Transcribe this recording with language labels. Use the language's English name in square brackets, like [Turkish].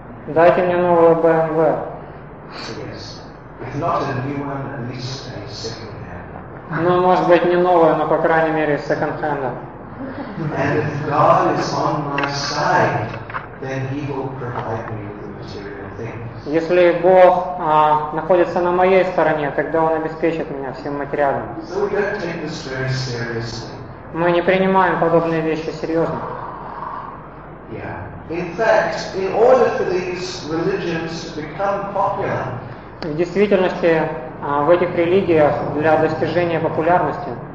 [Russian] Дайте мне новую BMW. [English] Yes. If not a new one, at least a second-hand. [Russian] Ну, может быть, не новое, но, по крайней мере, [English] second-hand. And if God is on my side, then he will provide me with the material things. [Russian] Если Бог находится на моей стороне, тогда он обеспечит меня всем материальным. [English] So we don't take this very seriously. [Russian] Мы не принимаем подобные вещи серьезно. [English] Yeah. In fact, in order for these religions to become popular, [Russian] в действительности, в этих религиях для достижения популярности,